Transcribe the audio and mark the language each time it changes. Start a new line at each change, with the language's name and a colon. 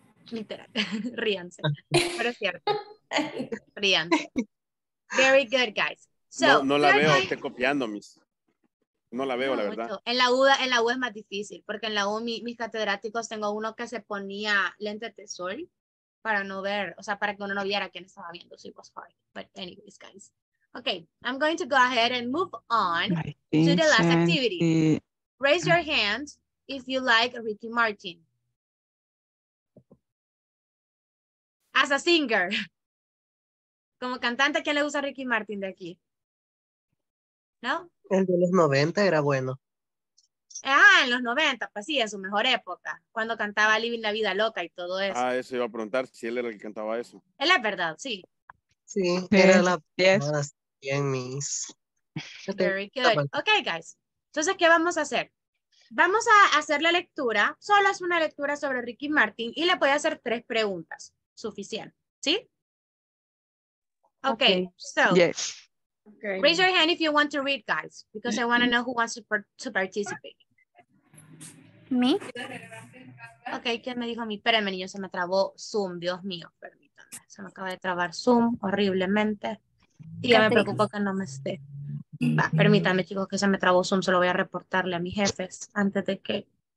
Spanish: Literal, ríanse, pero es cierto, ríanse.
English: Very good, guys. So,
Spanish: no la veo usted copiando, mis. No la veo, no, la verdad. En la U es más difícil, porque en la U mis catedráticos, tengo uno que se ponía lentes de sol para no ver, o sea, para que uno no viera quién estaba viendo,
English: so it was hard. But anyways, guys. Okay, I'm going to go ahead and move on to the last activity. Raise your hands if you like Ricky Martin. As a singer.
Spanish: Como cantante, ¿quién le gusta a Ricky Martin de aquí? ¿No? El de los 90 era bueno. En los 90, pues sí, en su mejor época. Cuando cantaba Living la Vida Loca y todo eso. Ah, eso iba a preguntar, si él era el que cantaba eso. Él es verdad, sí. Sí, era la más bien, mis.
English: Very good. Ok, guys.
Spanish: Entonces, ¿qué vamos a hacer? Vamos a hacer la lectura. Solo es una lectura sobre Ricky Martin y le voy a hacer 3 preguntas. Suficiente, ¿sí?
English: Okay, so yes. Okay. Raise your hand if you want to read, guys, because I want to know who wants to participate. Me.
Spanish: Okay, ¿quién me dijo a mí? Espérenme, niño, se me trabó Zoom, Dios mío, permítanme. Se me acaba de trabar Zoom horriblemente y ya me preocupo que no me esté. Va, permítanme, chicos, que se me trabó Zoom, se lo voy a reportarle a mis jefes antes de que...